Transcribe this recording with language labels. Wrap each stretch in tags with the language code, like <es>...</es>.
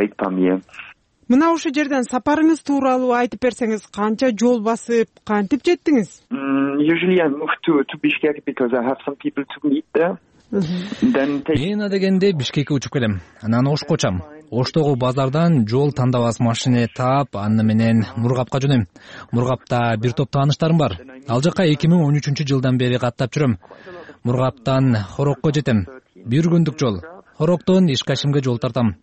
<ky>Мына ушул жерден сапарыңыз тууралуу айтып берсеңиз, канча жол басып, кантип жеттиңиз?</ky> <en>Usually I moved to Bishkek because I have some people to meet there.</en> <ky>Мен адегенде Бишкекке учуп келем. Анан Ош кочам. Оштогу базардан жол тандап алып машине таап, аны менен Мургапка жөнөм. Мургапта бир топ тааныштарым бар. Ал жакка 2013 жылдан бери каттап жүрөм. Мургаптан Хорокко жетем. Бир күндүк жол. Хороктон Ишкашимге жол тартам.</ky>